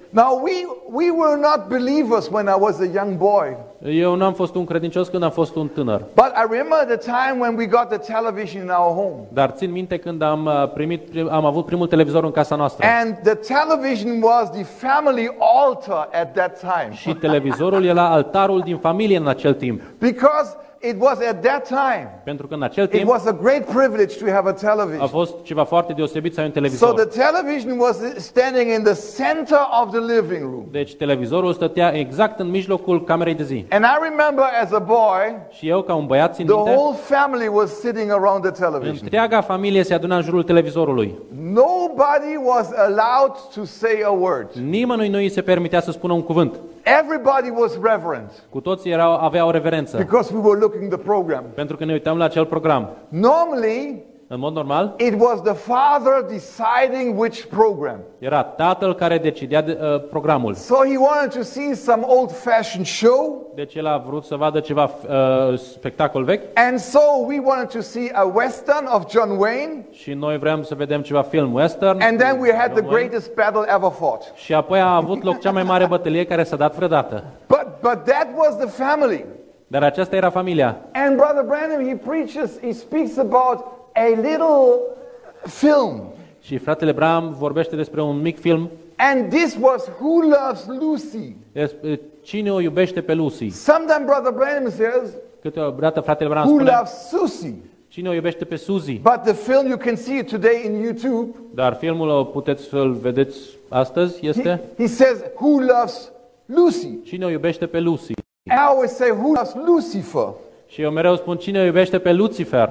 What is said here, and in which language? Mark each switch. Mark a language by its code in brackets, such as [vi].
[en] Now we were not believers when I was a young boy. [ro] Eu n-am fost un credincios când am fost un tânăr. [en] But I remember the time when we got the television in our home. [ro] Dar țin minte când am avut primul televizor în casa noastră. [en] And the television was the family altar at that time. [ro] Și televizorul era altarul din familie în acel timp. [en] Because it was at that time. [ro] Pentru că în acel timp, [en] it was a great privilege to have a television. [ro] A fost ceva foarte deosebit să ai un televizor. [en] So the television was standing in the center of the living room. [ro] Deci televizorul stătea exact în mijlocul camerei de zi. [en] And I remember as a boy, [ro] și eu ca un băiat țin minte, [en] the whole family was sitting around the television. [ro] Întreaga familie se aduna în jurul televizorului. [en] Nobody was allowed to say a word. [ro] Nimănui nu i se permitea să spună un cuvânt. [en] Everybody was reverent. [ro] Cu toții erau, aveau reverență. [en] Because we were looking the program. [ro] Pentru că ne uitam la acel program. [en] Normally, [ro] în mod normal, [en] it was the father deciding which program. [ro] Era tatăl care decidea programul. [en] So he wanted to see some old-fashioned show. [ro] Deci el a vrut să vadă ceva spectacol vechi. [en] And so we wanted to see a western of John Wayne. [ro] Și noi vrem să vedem ceva film western. [en] And then we had the greatest battle ever fought. [ro] Și apoi a avut loc cea mai mare bătălie care s-a dat vreodată. [en] But that was the family. [ro] Dar aceasta era familia. [en] And Brother Branham, he preaches, he speaks about a little film. [ro] Și fratele Branham vorbește despre un mic film. [en] And this was Who Loves Lucy. [ro] Cine o iubește pe Lucy? [en] Sometimes Brother Branham says, [ro] câteodată fratele Branham spune, [en] Who loves Susie? [ro] Cine o iubește pe Susie? [en] But the film, you can see it today in YouTube. [ro] Dar filmul o puteți să-l vedeți astăzi, este? [en] He says Who loves Lucy? [ro] Cine o iubește pe Lucy? [en] I always say Who loves Lucifer? [ro] Și eu mereu spun cine iubește pe Lucifer.